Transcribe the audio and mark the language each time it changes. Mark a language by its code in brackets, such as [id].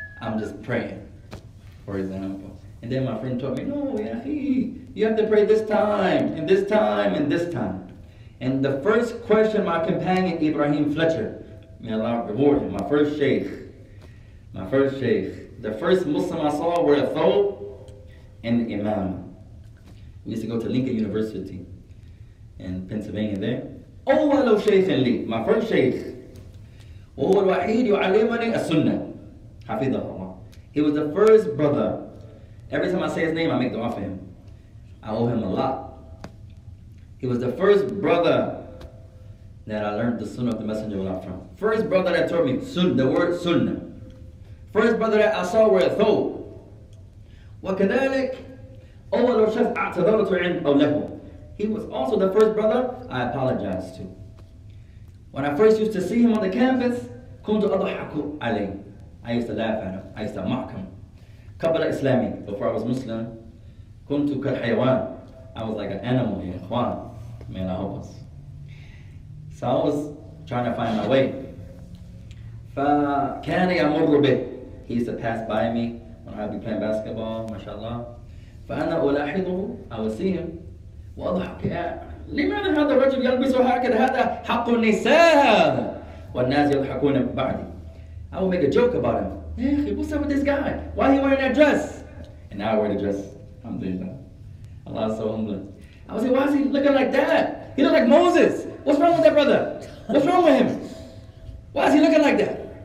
[en] I'm just praying, for example. And then my friend told me, no, you have to pray this time, and this time, and this time. And the first question my companion, Ibrahim Fletcher, may Allah reward him, my first sheikh, the first Muslim I saw were a thawb and imam. We used to go to Lincoln University. in Pennsylvania there. [ar] أول شيخ لي, [en] my first sheikh, [ar] وهو الوحيد يعلمني السنة, حفظه الله. [en] He was the first brother. Every time I say his name, I make dua for him. I owe him a lot. He was the first brother that I learned the sunnah of the Messenger of Allah from. First brother that taught me sunnah, the word sunnah. First brother that I saw where I thought. [ar] وكذلك أول شيخ اعتذرت عن أوله. [en] He was also the first brother I apologized to. When I first used to see him on the campus, [ar] كنت أضحك عليه. [en] I used to laugh at him. I used to mock him. [ar] قبل إسلامي, [en] before I was Muslim, [ar] كنت كالحيوان. [en] I was like an animal, [ar] يا إخوان. [en] May Allah help us. So I was trying to find my way. [ar] فكان يمر به. [en] He used to pass by me when I'd be playing basketball, mashallah. [ar] فأنا ألاحظه. [en] I would see him. [ar] وأضحك. لماذا هذا الرجل يلبس هكذا؟ هذا حق النساء هذا. والناس يضحكون بعدي. [en] I will make a joke about him. Hey, what's up with this guy? Why he wearing that dress? And now I wear the dress. Alhamdulillah. Allah is so humble. I was like, why is he looking like that? He looked like Moses. What's wrong with that brother? What's wrong with him? Why is he looking like that?